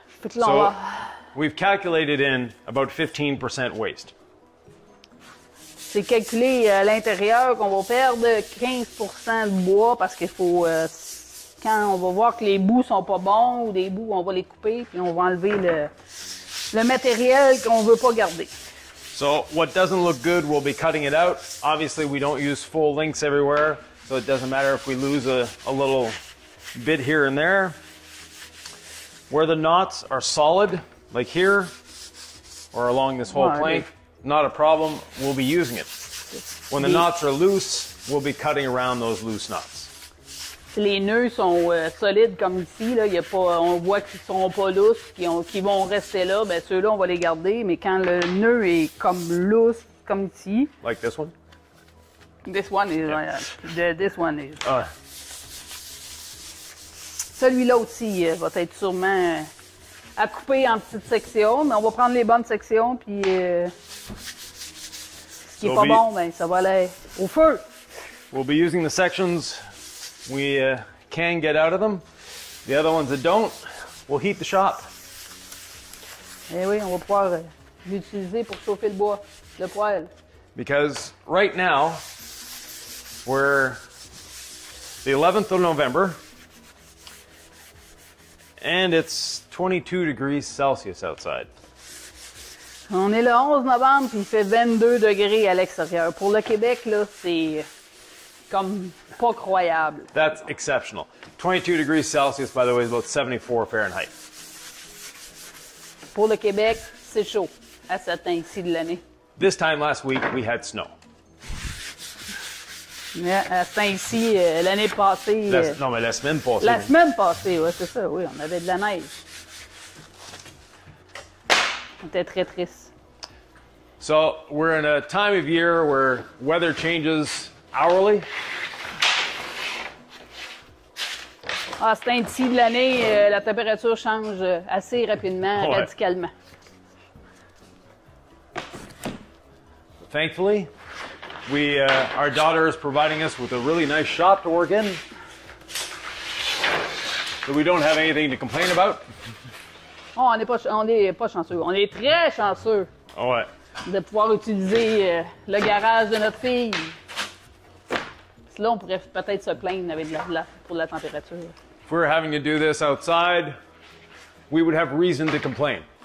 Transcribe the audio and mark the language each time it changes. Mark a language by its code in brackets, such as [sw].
[en] So, we've calculated in about 15% waste. [fr] C'est calculé à l'intérieur qu'on va perdre 15% de bois parce qu'il faut, quand on va voir que les bouts sont pas bons ou des bouts, on va les couper puis on va enlever le matériel qu'on veut pas garder. [en] So, what doesn't look good, we'll be cutting it out. Obviously, we don't use full lengths everywhere, so it doesn't matter if we lose a little bit here and there. Where the knots are solid, like here, or along this whole plank, not a problem, we'll be using it. When the knots are loose, we'll be cutting around those loose knots. [fr] Si les nœuds sont solides comme ici, là, y a pas, on voit qu'ils sont pas lousses, qui vont rester là, ben ceux-là, on va les garder, mais quand le nœud est comme lousse, comme ici... [en] Like this one? This one is... This one is... [fr] Celui-là aussi va être sûrement à couper en petites sections, mais on va prendre les bonnes sections, puis ce qui n'est pas bon, ben, ça va aller au feu. [en] We'll be using the sections we can get out of them. The other ones that don't, we'll heat the shop. [fr] Eh oui, on va pouvoir l'utiliser pour chauffer le bois, le poêle. [en] Because right now, we're the 11th of November, and it's 22 degrees Celsius outside. [fr] On est le 11 novembre puis il fait 22 degrés à l'extérieur. Pour le Québec là, c'est comme pas croyable. [en] That's exceptional. 22 degrees Celsius, by the way, is about 74 Fahrenheit. [fr] Pour le Québec, c'est chaud à cette heure-ci de l'année. [en] This time last week, we had snow. [fr] Mais à ici, l'année passée... La semaine passée. La semaine passée, oui, c'est ça, oui, on avait de la neige. On était très triste. [en] So, we're in a time of year where weather changes hourly. [fr] À ce temps-ci de l'année, la température change assez rapidement, radicalement. [en] Thankfully... We, our daughter is providing us with a really nice shop to work in. So we don't have anything to complain about. [fr] Oh, on est pas chanceux. On est très chanceux. Ouais. De pouvoir utiliser le garage de notre fille. Parce que là, on pourrait peut-être se plaindre avec pour la température. [en] If we were having to do this outside, we would have reason to complain.